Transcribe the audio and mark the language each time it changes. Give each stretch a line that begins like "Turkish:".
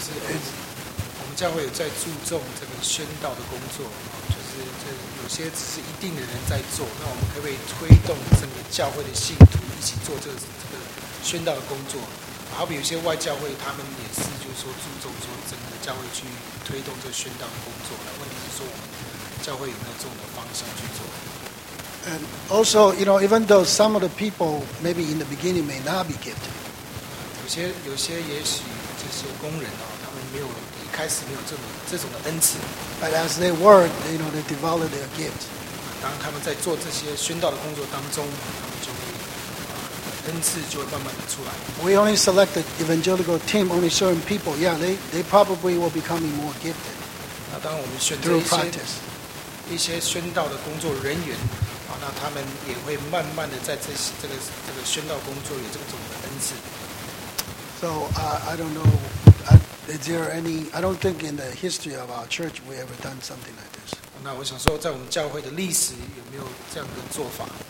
English: it's
Chinese: 教会有在注重这个宣道的工作，就是有些只是一定的人在做，那我们可不可以推动整个教会的信徒一起做这个宣道的工作？好比有些外教会，他们也是就是说注重说整个教会去推动这个宣道的工作。那问题是说，我们教会有没有这种的方向去做
English: ？And also, you know, even though some of the people maybe in the beginning may not be gifted,
Chinese: 有些也许这些工人啊。开始没有这种的恩赐
English: ，but as they work, you know, they develop their gift.
Chinese: 当他们在做这些宣道的工作当中，他们就会恩赐就会慢慢的出来。
English: We only select the evangelical team, only certain people. Yeah, they probably will become more gifted.
Chinese: 那当我们选择一些宣道的工作人员，啊，那他们也会慢慢的在这个宣道工作有这种的恩赐。
English: So I don't know. Is there any? I don't think in the history of our church we ever done something like this.
Chinese: 那我想说，在我们教会的历史有没有这样的做法